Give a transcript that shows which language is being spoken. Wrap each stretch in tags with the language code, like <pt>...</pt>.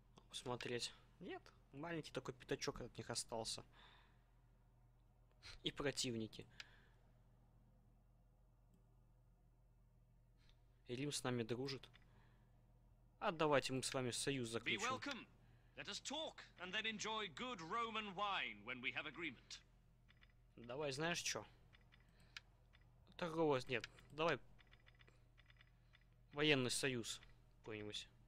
<ru>Посмотреть. Нет. Маленький такой пятачок от них остался. И противники. Рим с нами дружит. А давайте мы с вами союз заключим.</ru> <en>Let us talk and then enjoy good Roman wine when we have agreement.</en> <ru>Давай, знаешь что? Торговый, нет, давай военный союз какой-нибудь.</ru>